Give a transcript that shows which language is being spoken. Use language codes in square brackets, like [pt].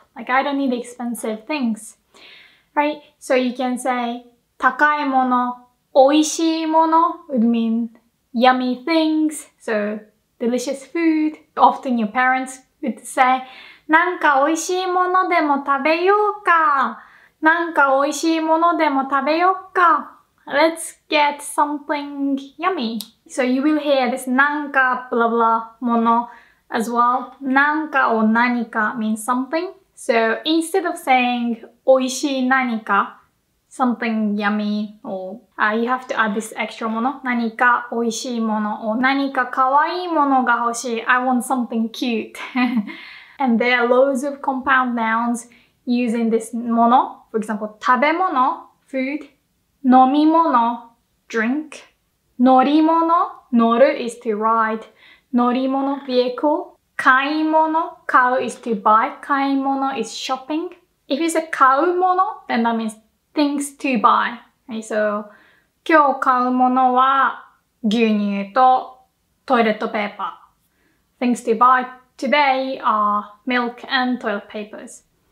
[en] Like, I don't need expensive things. Right? So you can say [ja] 高いもの、おいしいもの [en] would mean yummy things. So delicious food. Often your parents would say, [ja] なんかおいしいものでも食べようか。なんかおいしいものでも食べようか。 [en] Let's get something yummy. So you will hear this なんか blah blah mono as well. なんかを何か means something. So instead of saying [ja] おいしい何か [en] something yummy or you have to add this extra mono. [ja] 何かおいしいもの or 何かかわいいものが欲しい [en] I want something cute. And there are loads of compound nouns using this mono. For example, 食べ物 food. 飲み物 drink. 乗り物 乗る is to ride. 乗り物 vehicle. 買い物 買う is to buy. 買い物 is shopping. If it's a 買う物 then that means things to buy. Okay, so, [ja] 今日買うものは牛乳とトイレットペーパー。 [en] Things to buy today are milk and toilet papers.